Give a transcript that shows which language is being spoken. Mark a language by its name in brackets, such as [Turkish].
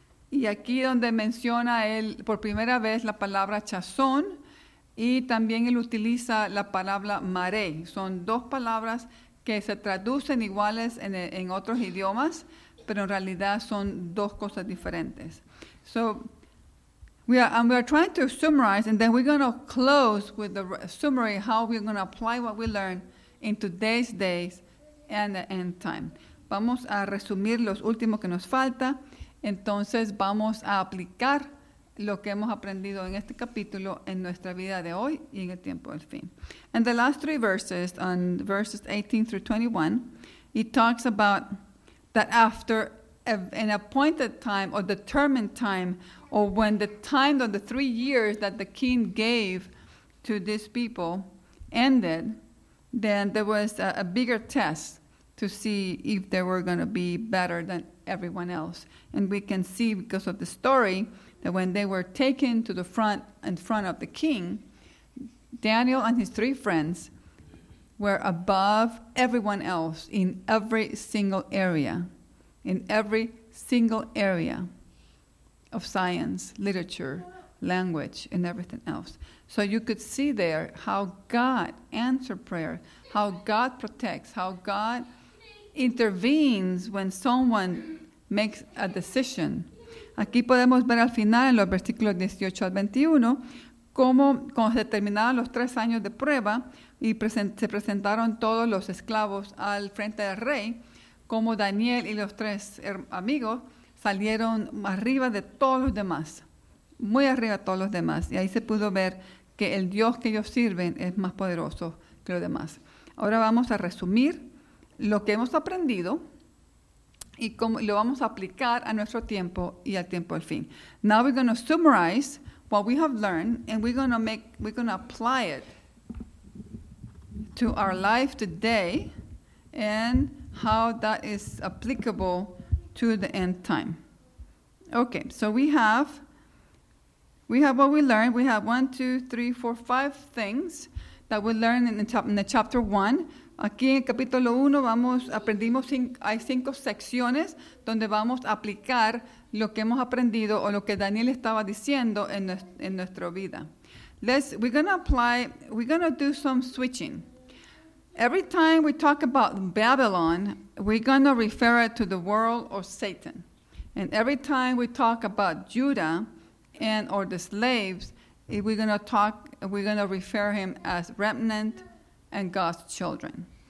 [Spanish] Y aquí donde menciona él por primera vez la palabra chazón, y también él utiliza la palabra mare. Son dos palabras que se traducen iguales en otros idiomas, pero en realidad son dos cosas diferentes. [English] So, we are trying to summarize, and then we're going to close with the summary how we're going to apply what we learned in today's days and the end time. [Spanish] Vamos a resumir los últimos que nos falta. Entonces vamos a aplicar lo que hemos aprendido en este capítulo en nuestra vida de hoy y en el tiempo del fin. [English] And the last three verses, on verses 18 through 21, he talks about that after an appointed time or determined time, or when the time of the 3 years that the king gave to these people ended, then there was a bigger test to see if they were going to be better than everyone else. And we can see because of the story that when they were taken to the front, in front of the king, Daniel and his three friends were above everyone else in every single area, in every single area of science, literature, language, and everything else. So you could see there how God answered prayer, how God protects, how God intervenes when someone makes a decision. [Spanish] Aquí podemos ver al final, en los versículos 18 al 21, cómo cuando se terminaron los 3 años de prueba y se presentaron todos los esclavos al frente del rey, cómo Daniel y los tres amigos salieron arriba de todos los demás, muy arriba de todos los demás. Y ahí se pudo ver que el Dios que ellos sirven es más poderoso que los demás. Ahora vamos a resumir lo que hemos aprendido y cómo lo vamos a aplicar a nuestro tiempo y al tiempo del fin. [English] Now we're going to summarize what we have learned, and we're going to apply it to our life today and how that is applicable to the end time. Okay, so we have what we learned. We have 1, 2, 3, 4, 5 things that we learned in the chapter 1. [Spanish] Aquí en el capítulo 1 hay 5 secciones donde vamos a aplicar lo que hemos aprendido o lo que Daniel estaba diciendo en nuestra vida. [English] We're going to do some switching. Every time we talk about Babylon, we're going to refer it to the world or Satan. And every time we talk about Judah and or the slaves, we're going to refer him as remnant and God's children.